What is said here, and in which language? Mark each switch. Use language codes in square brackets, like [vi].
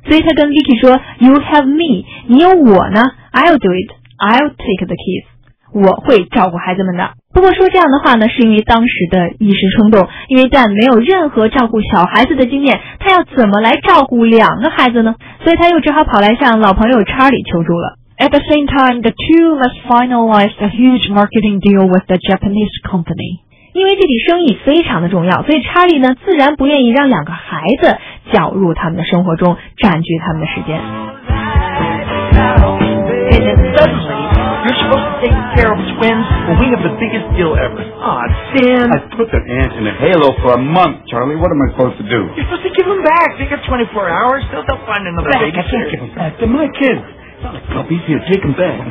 [zh] 所以他跟 Vicky 说 ： [en] “You have me， [zh] 你有我呢 ， [en] I'll do it。” I'll take the kids. [zh] 我会照顾孩子们的。不过说这样的话呢，是因为当时的一时冲动，因为 Dan 没有任何照顾小孩子的经验，他要怎么来照顾两个孩子呢？所以他又只好跑来向老朋友 Charlie 求助了。 [en] At the same time, the two must finalize a huge marketing deal with the Japanese company. [zh] 因为这笔生意非常的重要，所以 Charlie 呢，自然不愿意让两个孩子搅入他们的生活中，占据他们的时间。 [en] And then suddenly, you're supposed to take care of twins, but we have the biggest deal ever. Aw, Dan. I put that aunt in a halo for a month, Charlie. What am I supposed to do? You're supposed to give them back. They got 24 hours. They'll find another baby. I can't give them back. They're my kids. It's not like puppies here. Take them back.